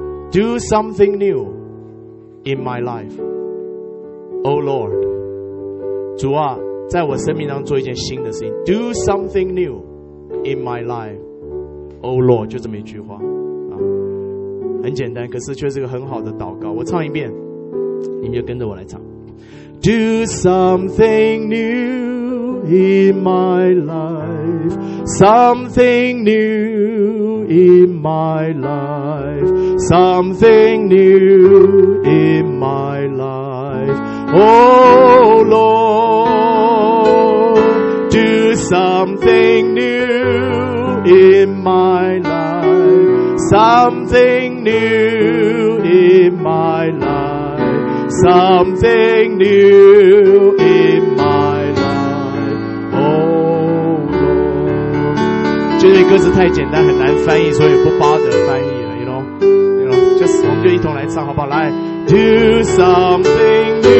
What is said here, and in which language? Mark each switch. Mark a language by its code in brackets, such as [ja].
[en] Do something new in my life Oh Lord， [zh] 主啊，在我生命当中做一件新的事情， [en] Do something new in my life Oh Lord， [zh] 就这么一句话，很简单，可是却是个很好的祷告。我唱一遍，你们就跟着我来唱。 [en] Do something new in my life, something new in my life, something new in my life. Oh Lord, do something new in my life. Something new in my life, something new in my life, oh Lord. [zh] 就这歌词太简单，很难翻译，所以不bother翻译了， [en] you know, just, [zh] 我们就一同来唱好不好？来 ， [en] Do something